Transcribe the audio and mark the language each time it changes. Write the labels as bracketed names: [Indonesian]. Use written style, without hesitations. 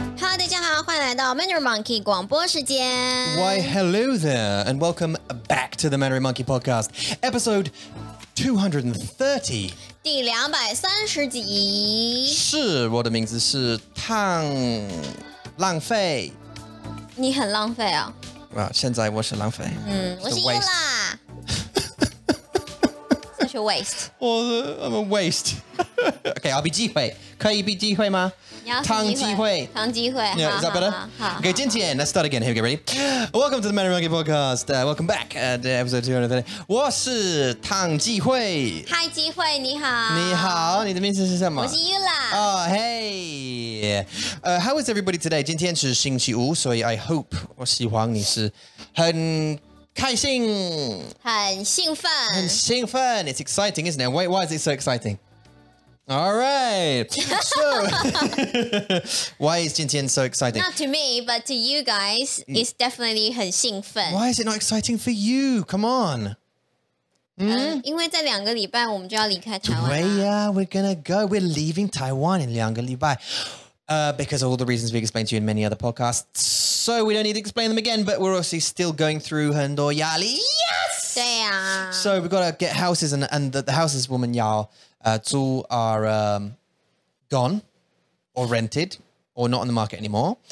[Chinese] Mandarin Monkey 广播时间. [English] Why, hello there, and welcome back to the Mandarin Monkey Podcast, episode 230. [Chinese] 第230集。是,我的名字是烫浪费。你很浪费啊? 现在我是浪费。我是Ula。 [English] Such a waste. [Chinese] 我的, [English] I'm a waste. Okay, I'll be 机会, 可以be机会吗? [Chinese] 汤机会 [English] Yeah, is that better? [Chinese] 好, [English] okay, [Chinese] 今天, [English] let's start again. Here we go, ready? Welcome to the Mandarin Monkey Podcast. Welcome back to episode 230. [Chinese] 我是汤机会 Hi, 机会, 你好你好, 你的名字是什么? 我是 Ula. [English] Oh, hey. How is everybody today? [Chinese] 今天是星期五, 所以 [English] I hope [Chinese] 我希望你是很 开心很兴奋很兴奋 [English] It's exciting, isn't it? Why is it so exciting? All right. So, why is [Chinese] 今天 [English] so exciting? Not to me, but to you guys, it's definitely [Chinese] 很兴奋. [English] Why is it not exciting for you? Come on. [Chinese] 因为在两个礼拜我们就要离开台湾了. [English] Yeah, we're gonna go. We're leaving Taiwan in [Chinese] 两个礼拜. [English] Because of all the reasons we've explained to you in many other podcasts. So we don't need to explain them again, but we're obviously still going through [Chinese] 很多压力. [English] Yes! [Chinese] 对啊. [English] So we've got to get houses and the houses [Chinese] 我们要... [English] two are gone or rented or not on the market anymore.